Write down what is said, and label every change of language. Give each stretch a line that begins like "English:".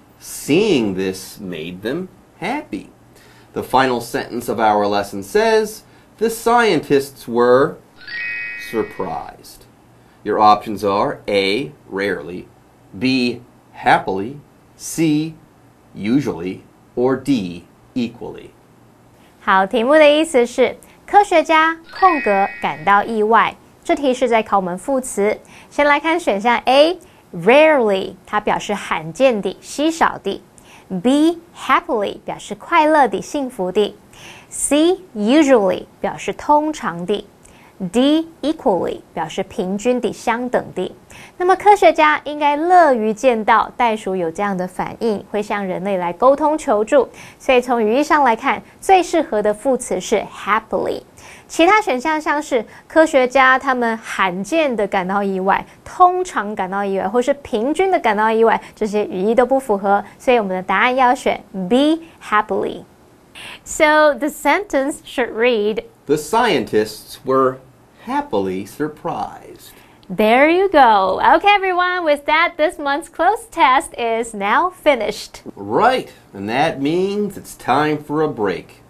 English: Seeing this made them happy. The final sentence of our lesson says, the scientists were surprised. Your options are A, rarely, B, happily, C, usually, or D, equally.
Chinese: 好，题目的意思是科学家空格感到意外。这题是在考我们副词。先来看选项 A, rarely, 它表示罕见的、稀少的。 B, happily, 表示快乐的、幸福的。C, usually, 表示通常的。 D, equally, 表示平均的、相等的。那么科学家应该乐于见到袋鼠有这样的反应，会向人类来沟通求助。所以从语义上来看，最适合的副词是 happily。其他选项像是科学家他们罕见的感到意外、通常感到意外或是平均的感到意外，这些语义都不符合，所以我们的答案要选 B, happily.
English: So the sentence should read, The scientists were happily surprised. There you go. Okay, everyone, with that, this month's closed test is now finished. Right, and that means it's time for a break.